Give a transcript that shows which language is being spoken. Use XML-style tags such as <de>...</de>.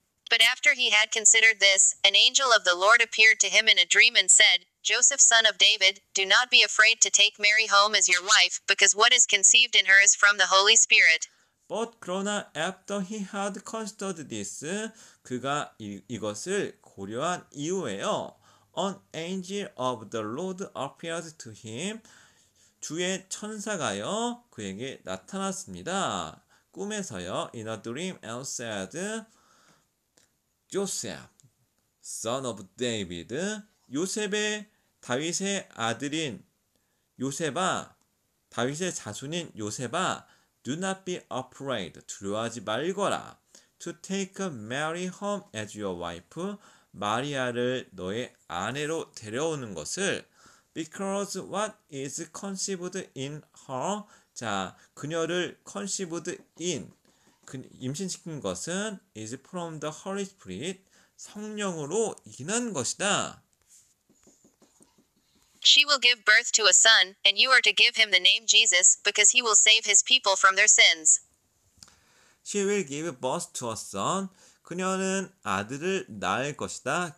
<en>But after he had considered this, an angel of the Lord appeared to him in a dream and said, Joseph, son of David, do not be afraid to take Mary home as your wife, because what is conceived in her is from the Holy Spirit. But</en> <ko>그러나</ko> <en>after he had considered this,</en> <ko>그가 이것을 고려한 이후에요.</ko> <en>An angel of the Lord appeared to him.</en> <ko>주의 천사가요, 그에게 나타났습니다. 꿈에서요,</ko> <en>in a dream and said, Joseph, son of David,</en> <ko>요셉의 다윗의 아들인 요셉아, 다윗의 자손인 요셉아,</ko> <en>do not be afraid,</en> <ko>두려워하지 말거라,</ko> <en>to take Mary home as your wife,</en> <ko>마리아를 너의 아내로 데려오는 것을,</ko> <en>because what is conceived in her, 자,</en> <ko>그녀를</ko> <en>conceived in,</en> <ko>임신시킨 것은</ko> <en>is from the Holy Spirit,</en> <ko>성령으로 인한 것이다.</ko> <en>She will give birth to a son, and you are to give him the name Jesus, because he will save his people from their sins. She will give birth to a son.</en> <ko>그녀는 아들을 낳을 것이다.</ko>